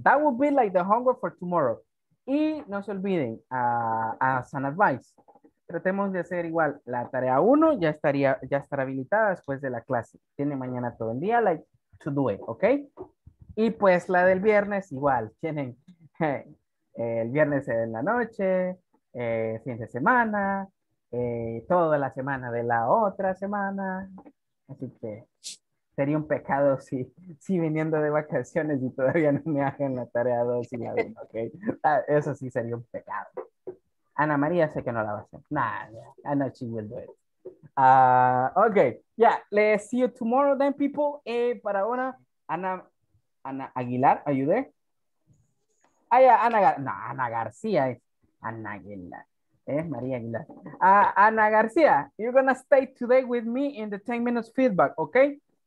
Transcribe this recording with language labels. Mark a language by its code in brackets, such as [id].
[en] That would be like the homework for tomorrow. [es] Y no se olviden, [en] as an advice, [es] tratemos de hacer igual la tarea 1, ya estará habilitada después de la clase. Tiene mañana todo el día, [en] like, to do it, [es] ¿ok? Y pues la del viernes, igual, tienen el viernes en la noche, fin de semana, toda la semana de la otra semana. Así que sería un pecado si viniendo de vacaciones y todavía no me hagan la tarea 2 y la 1, ¿ok? Eso sí sería un pecado. Ana María sé que no la va a hacer. [en] Nah, I know she will do it. Okay, yeah, let's see you tomorrow then, people. [es] Para ahora, [en] Ana Aguilar, ¿are you there? Ah, yeah, Ana García. Ana Aguilar. María Aguilar. Ana García, you're gonna stay today with me in the 10 minutes feedback, okay?